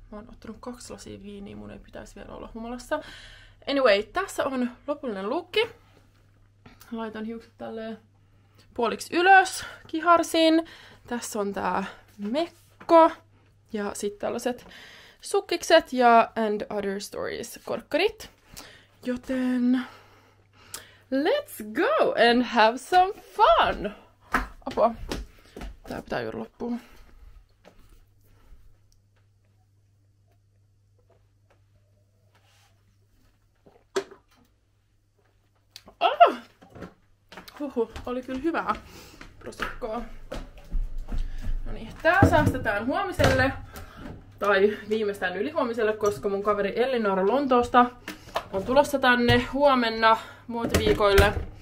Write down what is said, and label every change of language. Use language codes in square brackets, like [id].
[fi] Mä oon ottanut 2 lasia viiniä, mun ei pitäisi vielä olla humalassa. [en] Anyway, [fi] tässä on lopullinen lukki. Laitan hiukset tälleen puoliksi ylös kiharsin. Tässä on tää mekko ja sit tällaiset sukkikset ja And Other Stories korkkarit. Joten [en] let's go and have some fun! [fi] Apua, tää pitää juuri loppua. Huhu, oli kyllä hyvää prosekkoa. No niin, tää säästetään huomiselle tai viimeistään ylihuomiselle, koska mun kaveri Elinora Lontoosta on tulossa tänne huomenna muotiviikoille.